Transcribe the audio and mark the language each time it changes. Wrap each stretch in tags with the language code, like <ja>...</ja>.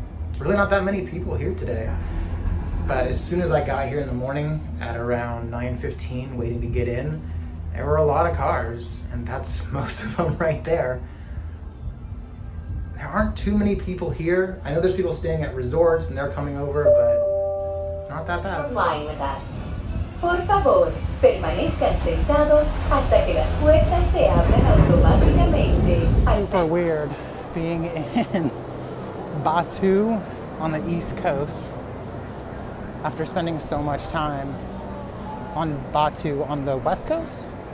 <en>It's really not that many people here today. But as soon as I got here in the morning at around 9:15 waiting to get in, there were a lot of cars, and that's most of them right there. There aren't too many people here. I know there's people staying at resorts and they're coming over, but not that bad. You're lying with us.</en> <es>Por favor, permanezcan sentados hasta que las puertas se abran automáticamente.</es> <en>Super weird being in Batu on the East Coast after spending so much time on Batu on the West Coast.</en>